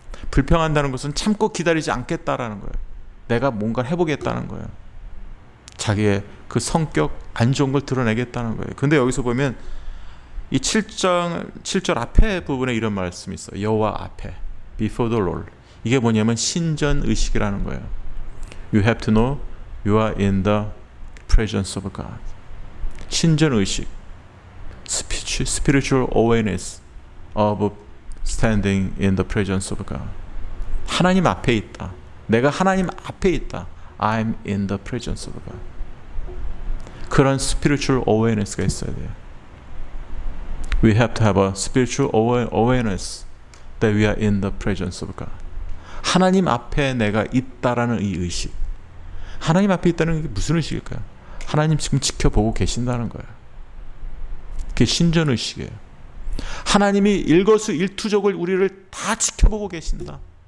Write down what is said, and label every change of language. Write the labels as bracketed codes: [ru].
[ko] 불평한다는 것은 참고 기다리지 않겠다라는 거예요. 내가 뭔가 해보겠다는 거예요. 자기의 그 성격 안 좋은 걸 드러내겠다는 거예요. 근데 여기서 보면 이 7절 앞에 부분에 이런 말씀이 있어요. 여호와 앞에 [en] before the Lord. [ko] 이게 뭐냐면 신전 의식이라는 거예요. [en] You have to know you are in the presence of God. [ko] 신전 의식. [en] Spiritual awareness of standing in the presence of God. [ko] 하나님 앞에 있다. 내가 하나님 앞에 있다. [en] I'm in the presence of God. [ko] 그런 spiritual awareness가 있어야 돼요. [en] We have to have a spiritual awareness that we are in the presence of God. [ko] 하나님 앞에 내가 있다라는 이 의식. 하나님 앞에 있다는 게 무슨 의식일까요? 하나님 지금 지켜보고 계신다는 거예요. 그게 신전의식이에요. 하나님이 일거수일투족을 우리를 다 지켜보고 계신다.